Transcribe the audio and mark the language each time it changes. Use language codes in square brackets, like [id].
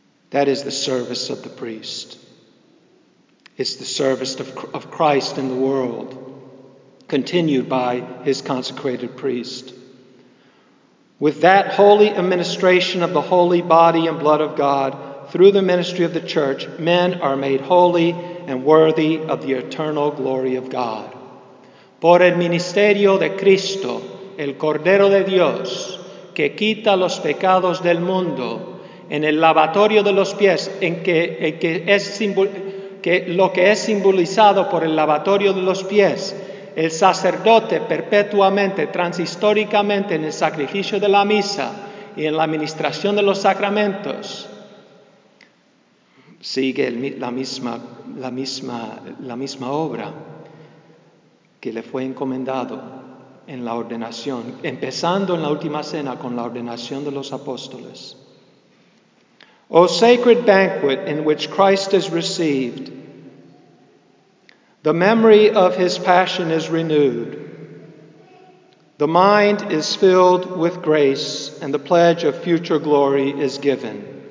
[en] That is the service of the priest. It's the service of Christ in the world, continued by his consecrated priest. With that holy administration of the holy body and blood of God, through the ministry of the church, men are made holy and worthy of the eternal glory of God. [es] Por el ministerio de Cristo, el Cordero de Dios, que quita los pecados del mundo, en el lavatorio de los pies, en que es simbolizado por el lavatorio de los pies, el sacerdote perpetuamente, transhistóricamente, en el sacrificio de la misa y en la administración de los sacramentos, sigue la misma obra que le fue encomendado en la ordenación, empezando en la última cena con la ordenación de los apóstoles. [en] O sacred banquet in which Christ is received, the memory of his passion is renewed. The mind is filled with grace, and the pledge of future glory is given.